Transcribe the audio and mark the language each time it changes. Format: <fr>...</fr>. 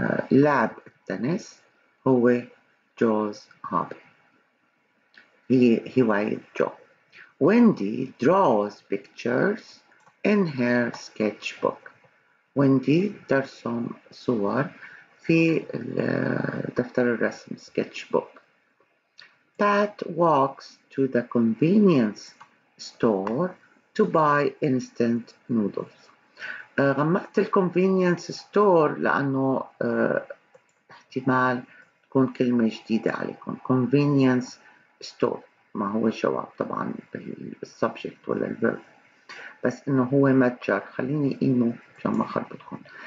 <ar>لعب التنس هو</ar> <en>Joe's hobby.</en> <ar>هواية جو.</ar> <en>Wendy draws pictures in her sketchbook.</en> <ar>ويندي ترسم صور في دفتر الرسم sketch book.</ar> <en>Pat walks to the convenience store to buy instant noodles.</en> <ar>غمقت الconvenience store لأنه احتمال تكون كلمة جديدة عليكم. Convenience store ما هو الجواب طبعا بالsubject ولا الverb، بس انه هو متجر، خليني اقيمه عشان ما اخربطكم.</ar>